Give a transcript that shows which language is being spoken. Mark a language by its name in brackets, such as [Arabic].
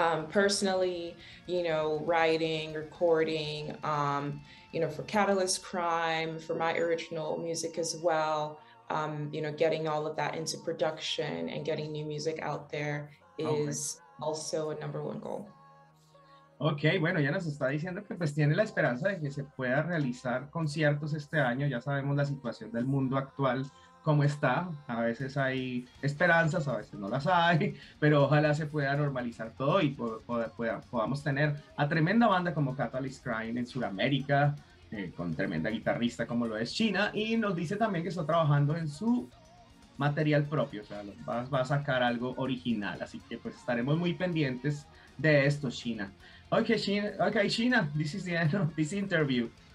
[English] Personally, you know, writing, recording, you know, for Catalyst Crime, for my original music as well, you know, getting all of that into production and getting new music out there is okay. Also a number one goal. [Spanish] Ok, bueno, ya nos está diciendo que pues tiene la esperanza de que se pueda realizar conciertos este año. Ya sabemos la situación del mundo actual, cómo está. A veces hay esperanzas, a veces no las hay, pero ojalá se pueda normalizar todo y podamos tener a tremenda banda como Catalyst Crime en Sudamérica, con tremenda guitarrista como lo es China. Y nos dice también que está trabajando en su material propio, o sea, va a sacar algo original. Así que pues estaremos muy pendientes de esto, China. [English] Okay, China, this is the end of this interview.